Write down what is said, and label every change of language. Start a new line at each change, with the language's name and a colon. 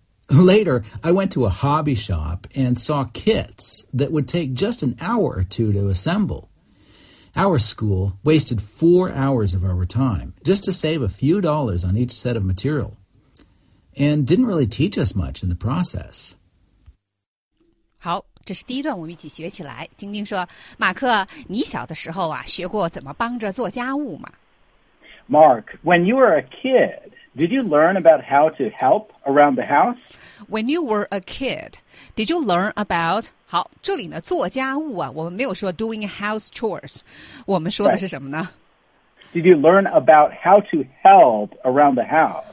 English: Later, I went to a hobby shop and saw kits that would take just an hour or two to assemble. Our school wasted 4 hours of our time just to save a few dollars on each set of material and didn't really teach us much in the process.
Chinese: 好，这是第一段，我们一起学起来。晶晶说，马克，你小的时候啊，学过怎么帮着做家务吗？
English: Mark, when you were a kid, did you learn about how to help around the house? When you were a kid, did you learn about...
Chinese: 好，这里呢，做家务啊，我们没有说
English: doing house chores，
Chinese: 我们说的是什么呢
English: ？Did you learn about how to help around the house？